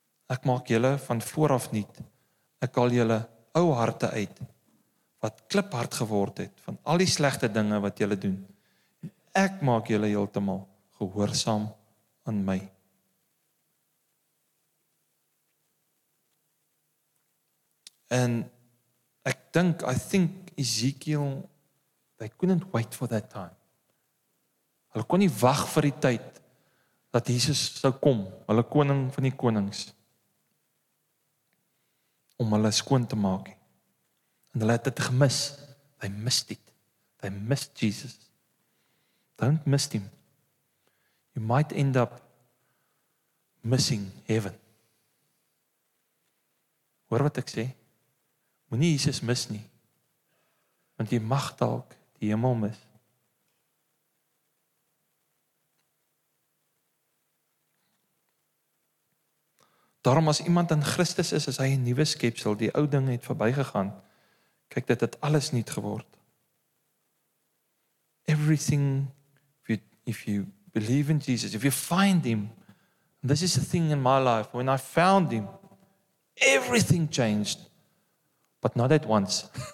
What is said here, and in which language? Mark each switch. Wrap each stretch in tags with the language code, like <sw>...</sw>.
<af>Ek maak julle van vooraf nuut. Ek haal julle ou harte uit wat kliphard geword het van al die slegte dinge wat julle doen. Ek maak julle heeltemal gehoorsaam aan my. En ek dink,</af> <en>Ezekiel, they couldn't wait for that time.</en> <af>Hulle kon nie wag vir die tyd dat Jesus sou kom, hulle koning van die konings, om hulle skoon te maak. En hulle het dit gemis.</af> <en>They missed it. They missed Jesus. Don't miss him. You might end up missing heaven.</en> <af>Hoor wat ek sê? Moenie Jesus mis nie. Want jy mag dalk die hemel mis. Daarom as iemand in Christus is, is hy 'n nuwe skepsel, die ou ding het verbygegaan. Kyk, dit het alles nuut geword.</af> <en>Everything, if you believe in Jesus, if you find him, and this is the thing in my life, when I found him, everything changed. But not at once.</en>